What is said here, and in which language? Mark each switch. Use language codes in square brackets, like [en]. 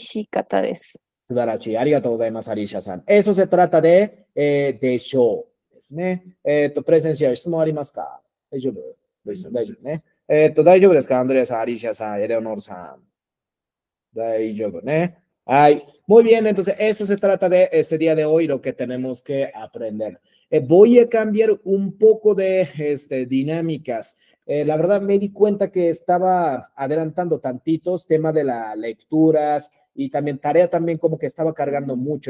[ja] 本当に美味しかったです。そうだね。ありがとうございます。では読んでください、アンドレアさん。A、B、どうぞ。このチョコレート美味しかったでしょ？はい、本当に美味しかったです。素晴らしい。では、アリーシャさんどうぞ読んでください。はい。このチョコレート美味しかったですよ。はい、本当に美味しかったです。素晴らしい。ありがとうございます、アリーシャさん。 [es] Eso se trata de presencia, [ja] ¿質問ありますか？大丈夫？大丈夫ね。大丈夫ですか？アンドレアさん、 アリシアさん、 エレオノールさん。大丈夫ね。 [es] Ay, muy bien, entonces eso se trata de este día de hoy, lo que tenemos que aprender. Voy a cambiar un poco de dinámicas. La verdad me di cuenta que estaba adelantando tantitos tema de las lecturas y también tarea también como que estaba cargando mucho.